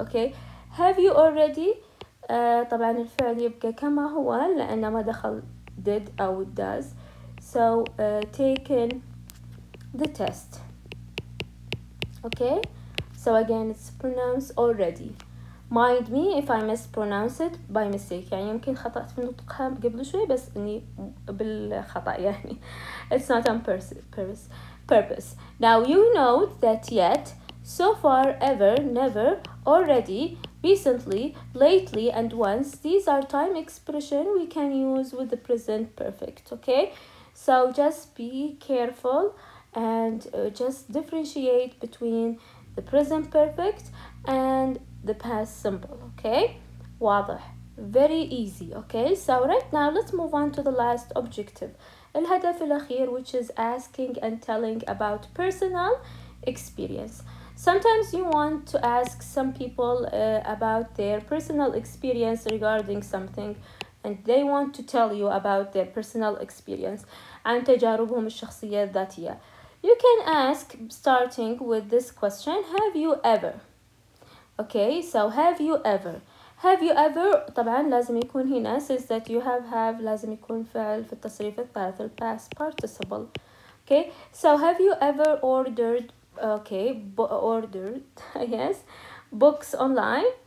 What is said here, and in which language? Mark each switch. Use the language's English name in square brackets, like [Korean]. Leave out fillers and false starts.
[English] Okay, have you already [Arabic] طبعا الفعل يبقى كما هو لان ما دخل did او does. [English] So taken the test. Okay, so again it's pronounced already. Mind me if I mispronounce it by mistake. [Arabic] يعني يمكن خطأت في نطقها قبل شوي بس إني بالخطأ يعني. [English] It's not on purpose. Now you know that yet, so far, ever, never, already, recently, lately, and once. These are time expression we can use with the present perfect. Okay, so just be careful and just differentiate between the present perfect and the past simple. Okay, واضح. Very easy. Okay, so right now let's move on to the last objective. [Arabic] الهدف الأخير, [English] which is asking and telling about personal experience. Sometimes you want to ask some people about their personal experience regarding something, and they want to tell you about their personal experience. [Arabic] عن تجاربهم الشخصية الذاتية. [English] You can ask, starting with this question, have you ever? Okay, so have you ever? Have you ever, [Arabic] طبعا لازم يكون هنا, [English] since that you have, [Arabic] لازم يكون فعل في التصريف الثالث, [English] the past participle. Okay, so have you ever ordered, okay, ordered, yes, books online?